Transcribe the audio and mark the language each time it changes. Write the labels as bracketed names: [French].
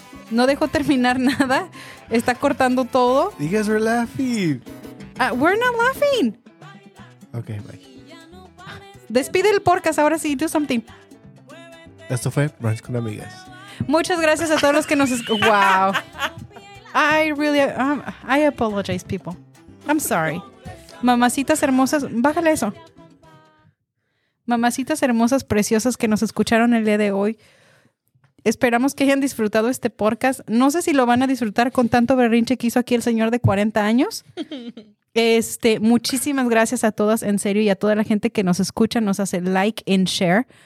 [Spanish] No dejó terminar nada. Está cortando todo. [English] You guys are laughing. We're not laughing. Okay, bye. [Spanish] Despide el podcast ahora sí. [English] Do something. [Spanish] Esto fue Brunch con Amigas. Muchas gracias a todos los que nos wow. [English] I apologize, people. I'm sorry. [Spanish] Mamacitas hermosas, bájale eso. Mamacitas hermosas, preciosas que nos escucharon el día de hoy. Esperamos que hayan disfrutado este podcast. No sé si lo van a disfrutar con tanto berrinche que hizo aquí el señor de 40 años. Muchísimas gracias a todas, en serio, y a toda la gente que nos escucha, nos hace [English] like and share.